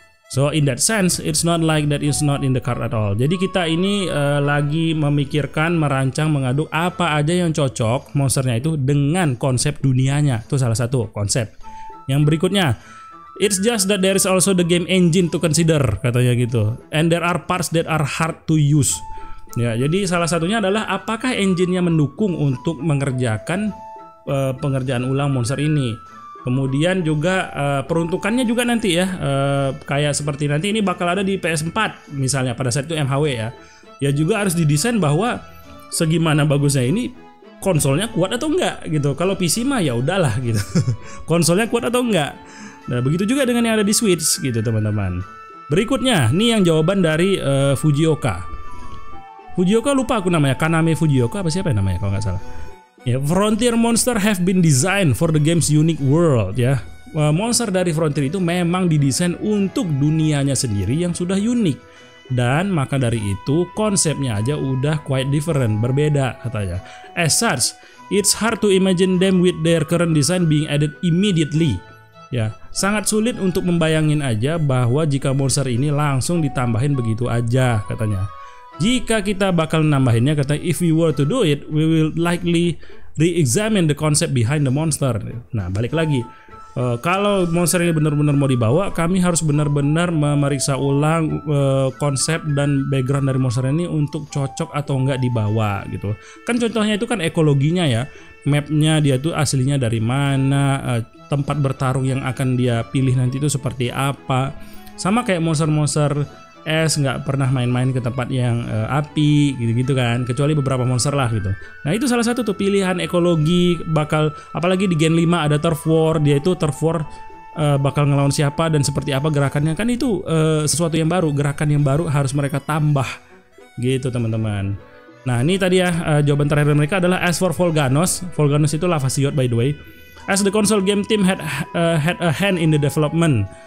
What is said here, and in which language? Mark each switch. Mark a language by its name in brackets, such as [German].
[English] So in that sense, it's not like that is not in the card at all. [Indonesian] Jadi kita ini lagi memikirkan, merancang, mengaduk apa aja yang cocok monsternya itu dengan konsep dunianya. Itu salah satu konsep. Yang berikutnya, [English] it's just that there is also the game engine to consider, [Indonesian] katanya gitu. [English] And there are parts that are hard to use. [Indonesian] Ya, jadi salah satunya adalah apakah engine-nya mendukung untuk mengerjakan pengerjaan ulang monster ini. Kemudian juga peruntukannya juga nanti ya, kayak seperti nanti ini bakal ada di PS4 misalnya pada saat itu MHW ya. Ya juga harus didesain bahwa segimana bagusnya ini konsolnya kuat atau enggak gitu. Kalau PC mah ya udahlah gitu. Konsolnya kuat atau enggak. Nah, begitu juga dengan yang ada di Switch gitu, teman-teman. Berikutnya, ini yang jawaban dari Fujioka. Fujioka, lupa aku namanya, Kaname Fujioka apa siapa namanya kalau nggak salah. [English] Yeah, Frontier monster have been designed for the game's unique world ya. Yeah. [Indonesian] Monster dari Frontier itu memang didesain untuk dunianya sendiri yang sudah unik. Dan maka dari itu konsepnya aja udah [English] quite different, [Indonesian] berbeda katanya. [English] As such, it's hard to imagine them with their current design being added immediately. [Indonesian] Ya, sangat sulit untuk membayangin aja bahwa jika monster ini langsung ditambahin begitu aja katanya. Jika kita bakal nambahinnya, kata, [English] if we were to do it, we will likely re-examine the concept behind the monster. [Indonesian] Nah, balik lagi, kalau monster ini benar-benar mau dibawa, kami harus benar-benar memeriksa ulang konsep dan background dari monster ini untuk cocok atau enggak dibawa gitu. Kan contohnya itu kan ekologinya ya, mapnya dia tuh aslinya dari mana, tempat bertarung yang akan dia pilih nanti itu seperti apa. Sama kayak monster-monster S nggak pernah main-main ke tempat yang api gitu-gitu kan, kecuali beberapa monster lah gitu. Nah itu salah satu tuh pilihan ekologi bakal, apalagi di Gen 5 ada turf war, dia itu turf war bakal ngelawan siapa dan seperti apa gerakannya, kan itu sesuatu yang baru, gerakan yang baru harus mereka tambah gitu, teman-teman. Nah ini tadi ya jawaban terakhir mereka adalah, [English] as for Volganos, Volganos itu lava siot by the way, as the console game team had a hand in the development.